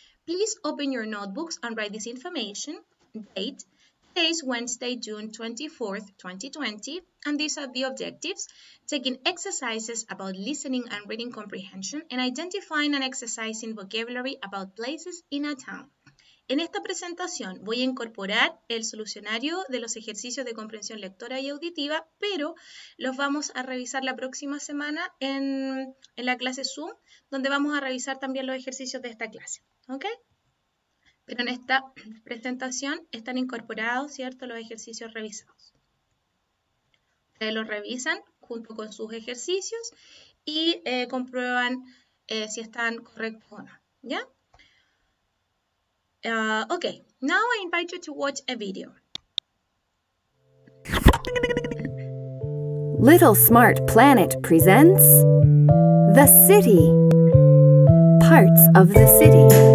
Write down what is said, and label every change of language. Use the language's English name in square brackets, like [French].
[English] Please open your notebooks and write this information. Date: today is Wednesday, June 24th, 2020, and these are the objectives: taking exercises about listening and reading comprehension and identifying and exercising vocabulary about places in a town. [Spanish] En esta presentación voy a incorporar el solucionario de los ejercicios de comprensión lectora y auditiva, pero los vamos a revisar la próxima semana en la clase Zoom, donde vamos a revisar también los ejercicios de esta clase, ¿ok? Pero en esta presentación están incorporados, ¿cierto?, los ejercicios revisados. Ustedes los revisan junto con sus ejercicios y comprueban si están correctos o no, ¿ya? [English] Okay, now I invite you to watch a video. Little Smart Planet presents The City. Parts of the City.